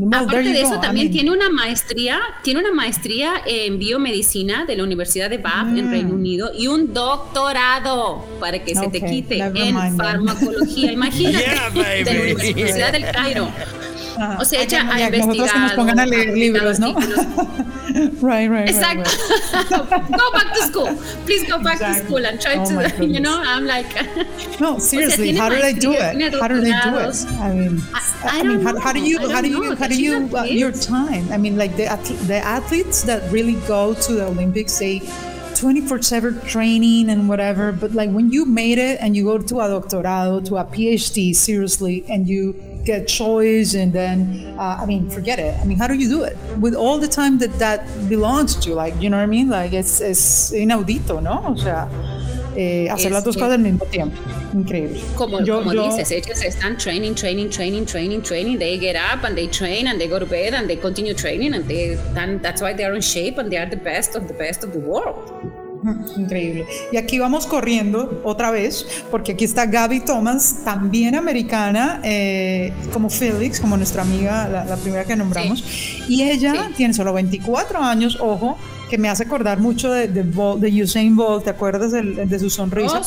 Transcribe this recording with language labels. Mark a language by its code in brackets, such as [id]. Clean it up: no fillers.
[es] Aparte de eso, también tiene una maestría en biomedicina de la Universidad de Bath en Reino Unido y un doctorado, para que se te quite, en farmacología, imagínate, de la Universidad del Cairo. O sea, ella ha investigado. Nosotros que nos pongan a leer libros, ¿no? [en] right. [es] Exacto. [en] Right. Go back to school. Please go back to school and try to, you know, I'm like. No, seriously, o sea, how do they do it? Your time? I mean, like the athletes that really go to the Olympics, they 24/7 training and whatever, but like when you made it and you go to a doctorado, to a PhD, seriously, and you get choice and then, I mean, forget it. I mean, how do you do it? With all the time that belongs to you, like, you know what I mean? Like, it's [es] inaudito, [en] ¿no? [es] O sea, hacer las dos cosas al mismo tiempo. Increíble. Como dices, ellos están training. [en] They get up and they train and they go to bed and they continue training and that's why they are in shape and they are the best of the world. [es] Increíble. Y aquí vamos corriendo otra vez, porque aquí está Gaby Thomas, también americana, como Felix, como nuestra amiga, la primera que nombramos. Sí. Y ella tiene solo 24 años, ojo, que me hace acordar mucho de Usain Bolt, ¿te acuerdas de su sonrisa?